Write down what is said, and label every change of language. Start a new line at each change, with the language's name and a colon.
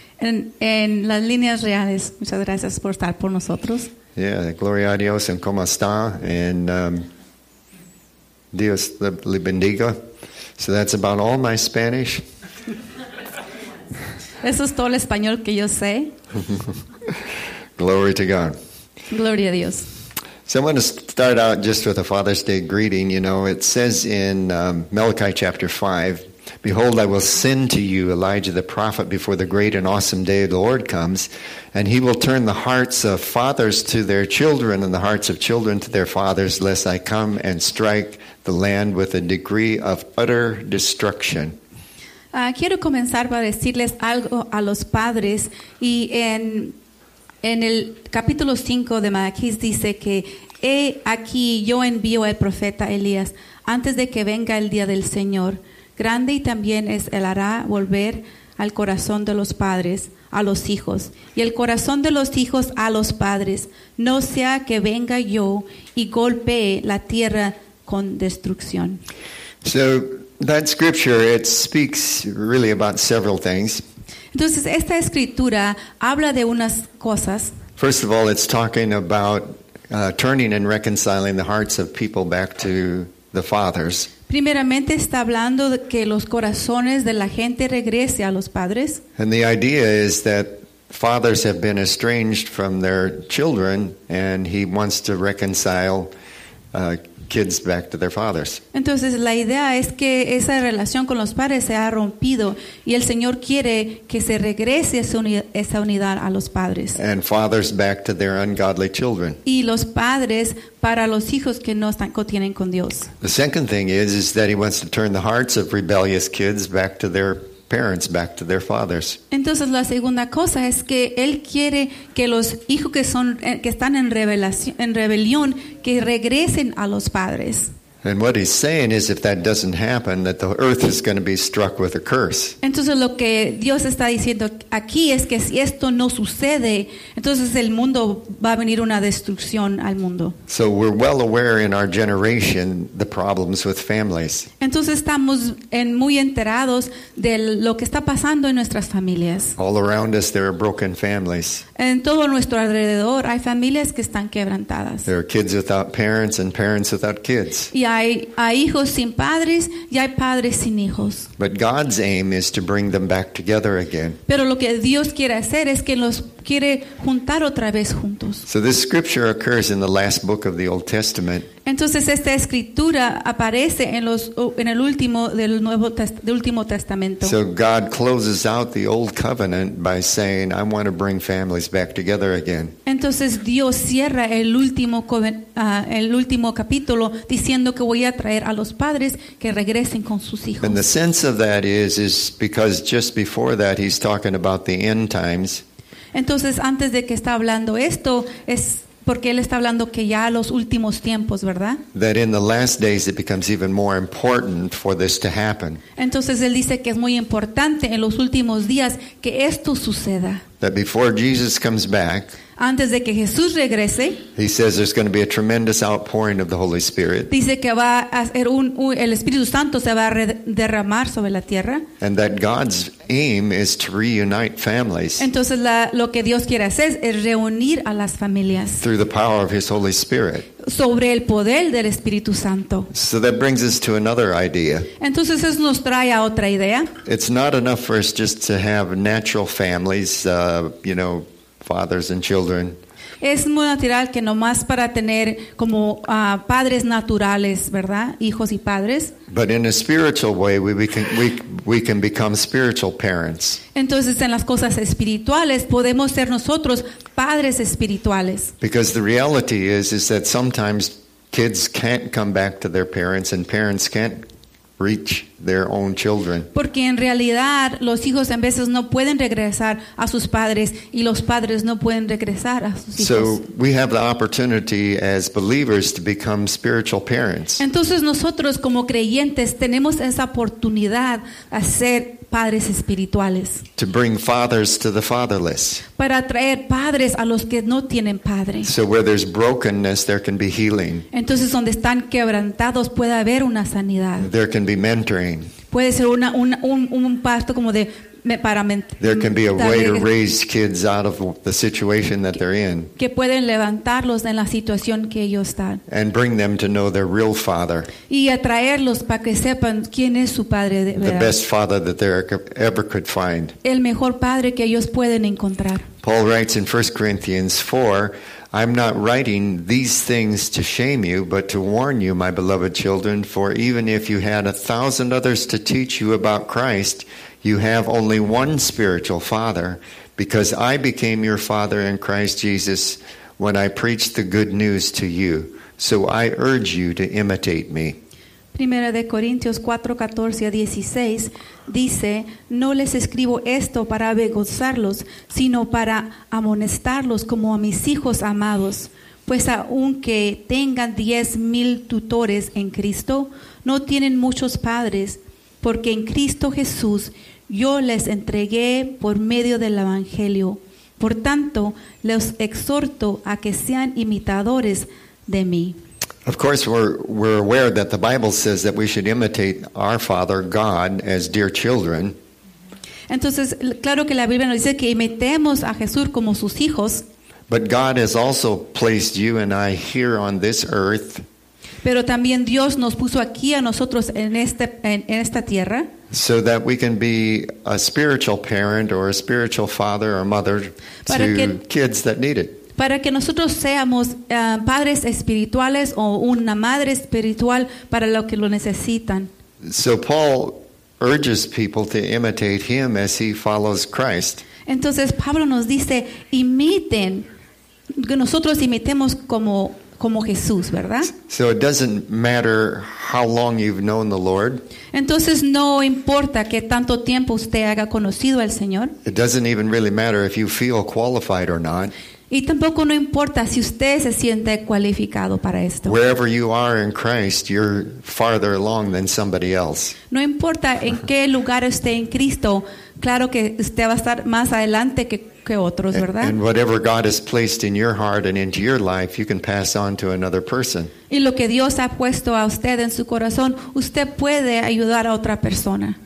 Spanish: En las líneas reales, muchas gracias por estar por nosotros. Yeah, gloria a Dios en cómo está, and Dios le bendiga.
English: So that's about all my Spanish.
Spanish: Eso es todo el español que yo sé.
English: Glory to God.
Spanish: Gloria a Dios.
English: So I'm going to start out just with a Father's Day greeting. You know, it says in Malachi chapter 5, "Behold, I will send to you Elijah the prophet before the great and awesome day of the Lord comes, and he will turn the hearts of fathers to their children and the hearts of children to their fathers, lest I come and strike the land with a decree of utter destruction."
Spanish: Quiero comenzar para decirles algo a los padres. Y en el capítulo 5 de Malaquías dice que he aquí yo envío al profeta Elías antes de que venga el día del Señor. Grande y también es el hará volver al corazón de los padres a los hijos y el corazón de los hijos a los padres, no sea que venga yo y golpee la tierra con destrucción.
English: So that scripture, it speaks really about several things.
Spanish: Entonces esta escritura habla de unas cosas.
English: First of all, it's talking about turning and reconciling the hearts of people back to the fathers.
Spanish: Primeramente está hablando de que los corazones de la gente regrese a los padres.
English: And the idea is that fathers have been estranged from their children and he wants to reconcile kids back to their fathers.
Spanish: Entonces la idea es que esa relación con los padres se ha rompido y el Señor quiere que se regrese esa unidad a los padres.
English: And fathers back to their ungodly children.
Spanish: Y los padres para los hijos que no están tienen con Dios.
English: The second thing is that he wants to turn the hearts of rebellious kids back to their parents, back to their fathers.
Spanish: Entonces la segunda cosa es que él quiere que los hijos que son que están en rebelión que regresen a los padres.
English: And what he's saying is if that doesn't happen that the earth is going to be struck with a curse.
Spanish: Entonces lo que Dios está diciendo aquí es que si esto no sucede, entonces el mundo va a venir una destrucción al mundo.
English: So we're well aware in our generation the problems with families.
Spanish: Entonces estamos muy enterados de lo que está pasando en nuestras familias.
English: All around us there are broken families.
Spanish: En todo nuestro alrededor hay familias que están quebrantadas.
English: There are kids without parents and parents without kids.
Spanish: Hay hijos sin padres y hay padres sin hijos.
English: But God's aim is to bring them back together again.
Spanish: Pero lo que Dios quiere hacer es que los quiere juntar otra vez juntos.
English: So this scripture occurs in the last book of the Old Testament.
Spanish: Entonces esta escritura aparece en el último del último Testamento.
English: So God closes out the old covenant by saying, "I want to bring families back together again."
Spanish: Entonces Dios cierra el último capítulo diciendo que voy a traer a los padres que regresen con sus hijos.
English: And the sense of that is because just before that he's talking about the end times.
Spanish: Entonces, antes de que está hablando esto, es porque él está hablando que ya los últimos tiempos, ¿verdad?
English: That in the last days it becomes even more important for this to happen.
Spanish: Entonces, él dice que es muy importante en los últimos días que esto suceda.
English: That before Jesus comes back,
Spanish: antes de que Jesús regrese,
English: he says there's going to be a tremendous outpouring of the Holy Spirit.
Spanish: Dice que va a ser el Espíritu Santo se va a derramar sobre la tierra.
English: And that God's aim is to reunite families.
Spanish: Entonces lo que Dios quiere hacer es reunir a las familias.
English: Through the power of his Holy Spirit.
Spanish: sobre el poder del Espíritu Santo.
English: So that brings us to another idea.
Spanish: Entonces eso nos trae a otra idea.
English: It's not enough for us just to have natural families, you know, fathers and children.
Spanish: Es muy natural que nomás para tener como padres naturales, ¿verdad? Hijos y padres.
English: But in a spiritual way, we can become spiritual parents.
Spanish: Entonces, en las cosas espirituales, podemos ser nosotros padres espirituales.
English: Because the reality is that sometimes kids can't come back to their parents and parents can't reach their own children.
Spanish: Porque en realidad los hijos en veces no pueden regresar a sus padres y los padres no pueden regresar a sus hijos.
English: So we have the opportunity as believers to become spiritual parents.
Spanish: Entonces nosotros como creyentes tenemos esa oportunidad a ser padres espirituales.
English: To bring fathers to the fatherless.
Spanish: Para traer padres a los que no tienen padre.
English: So where there's brokenness, there can be healing.
Spanish: Entonces donde están quebrantados puede haber una sanidad.
English: There can be mentoring.
Spanish: Puede ser un pasto como de para mentir.
English: There can be a way to raise kids out of the situation that they're in.
Spanish: Que pueden levantarlos en la situación que ellos están.
English: And bring them to know their real father.
Spanish: Y atraerlos para que sepan quién es su padre de verdad.
English: The best father that they ever could find.
Spanish: El mejor padre que ellos pueden encontrar.
English: Paul writes in 1 Corinthians 4, I'm not writing these things to shame you, but to warn you, my beloved children, for even if you had 1,000 others to teach you about Christ, you have only one spiritual father, because I became your father in Christ Jesus when I preached the good news to you. So I urge you to imitate me.
Spanish: Primera de Corintios 4, 14 a 16 dice, no les escribo esto para avergonzarlos, sino para amonestarlos como a mis hijos amados. Pues aunque tengan 10,000 tutores en Cristo, no tienen muchos padres, porque en Cristo Jesús yo les entregué por medio del Evangelio. Por tanto, les exhorto a que sean imitadores de mí.
English: Of course, we're aware that the Bible says that we should imitate our Father God as dear children.
Spanish: Entonces, claro que la Biblia nos dice que imitemos a Jesús como sus hijos.
English: But God has also placed you and I here on this earth.
Spanish: Pero también Dios nos puso aquí a nosotros en esta tierra.
English: So that we can be a spiritual parent or a spiritual father or mother to kids that need it.
Spanish: Para que nosotros seamos padres espirituales o una madre espiritual para los que lo necesitan.
English: So Paul urges people to imitate him as he follows Christ.
Spanish: Entonces Pablo nos dice, imiten, que nosotros imitemos como Jesús, ¿verdad?
English: So it doesn't matter how long you've known the Lord.
Spanish: Entonces no importa que tanto tiempo usted haya conocido al Señor.
English: It doesn't even really matter if you feel qualified or not.
Spanish: Y tampoco no importa si usted se siente cualificado para esto.
English: Wherever you are in Christ, you're farther along than somebody else.
Spanish: No importa en qué lugar esté en Cristo, claro que usted va a estar más adelante que otros, ¿verdad?
English: And whatever God has placed in your heart and into your life, you can pass on to another person.
Spanish: Y lo que Dios ha puesto a usted en su corazón, usted puede ayudar a otra persona.